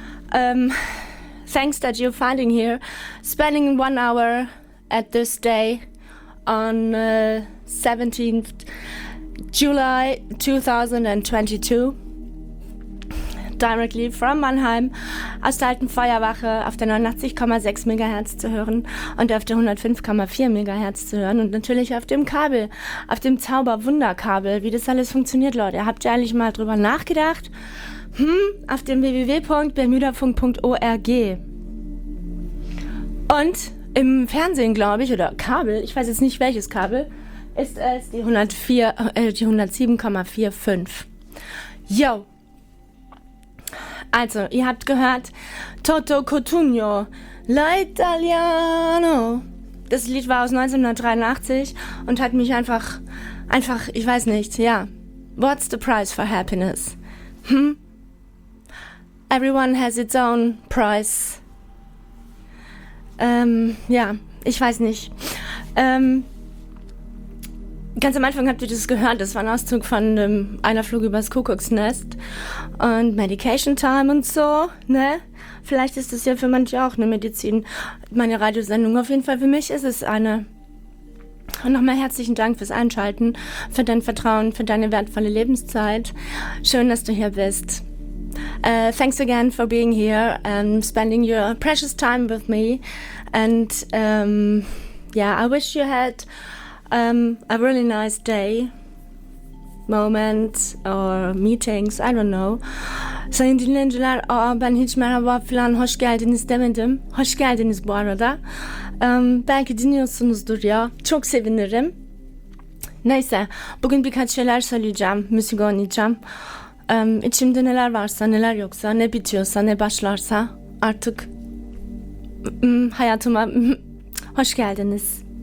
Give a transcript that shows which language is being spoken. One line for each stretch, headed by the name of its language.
English: Thanks that you're finding here. Spending 1 hour at this day on 17th July 2022 directly from Mannheim
German: aus der alten Feuerwache auf der 89,6 MHz zu hören und auf der 105,4 MHz zu hören und natürlich auf dem Kabel, auf dem Zauberwunderkabel, wie das alles funktioniert, Leute. Habt ihr eigentlich mal drüber nachgedacht? Auf dem www.bermudafunk.org und im Fernsehen, glaube ich, oder Kabel, ich weiß jetzt nicht welches Kabel, ist es die 107,45. Yo! Also, ihr habt gehört Toto Cotugno, L'Italiano. Das Lied war aus 1983 und hat mich einfach, ich weiß nicht, ja.
English: What's the price for happiness? Everyone has its own price.
German: Ja, ich weiß nicht. Ganz am Anfang habt ihr das gehört, das war ein Auszug von einer Flug übers Kuckucksnest und Medication Time und so, ne? Vielleicht ist das ja für manche auch eine Medizin, meine Radiosendung. Auf jeden Fall für mich ist es eine. Und nochmal herzlichen Dank fürs Einschalten, für dein Vertrauen, für deine wertvolle Lebenszeit. Schön, dass du hier bist.
English: Thanks again for being here and spending your precious time with me. And yeah, I wish you had a really nice day, moment, or meetings, I don't know.
Turkish: Sayın dinleyiciler, ben hiç merhaba falan, hoş geldiniz demedim. Hoş geldiniz bu arada. Belki dinliyorsunuzdur ya, çok sevinirim. Neyse, bugün birkaç şeyler söyleyeceğim, müzik oynayacağım. İçimde neler varsa, neler yoksa, ne bitiyorsa, ne başlarsa artık hayatıma hoş geldiniz.